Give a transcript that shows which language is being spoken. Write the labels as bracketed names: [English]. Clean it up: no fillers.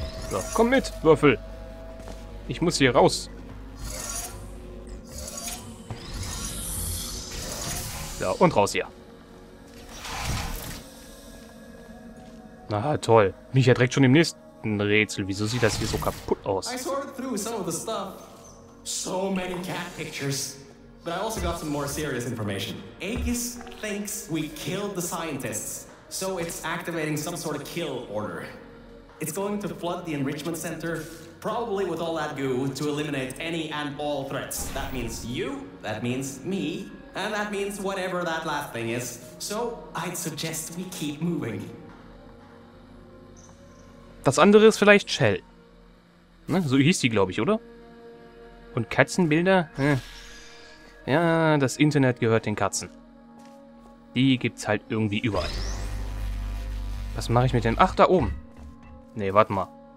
[German] So, komm mit, Würfel. Ich muss hier raus. Ja, und raus hier. Na toll. Mich ja direkt schon im nächsten Rätsel. Wieso sieht das hier so kaputt aus? [English] I sorted through some of the stuff. So many cat pictures. But I also got some more serious information. Aegis thinks we killed the scientists. So it's activating some sort of kill order. It's going to flood the enrichment center, probably with all that goo, to eliminate any and all threats. That means you, that means me. And that means whatever that last thing is. So, I'd suggest we keep moving. [German] Das andere ist vielleicht Shell. Ne? So hieß die, glaube ich, oder? Und Katzenbilder? Ja, das Internet gehört den Katzen. Die gibt's halt irgendwie überall. Was mache ich mit den... Ach, da oben. Ne, warte mal.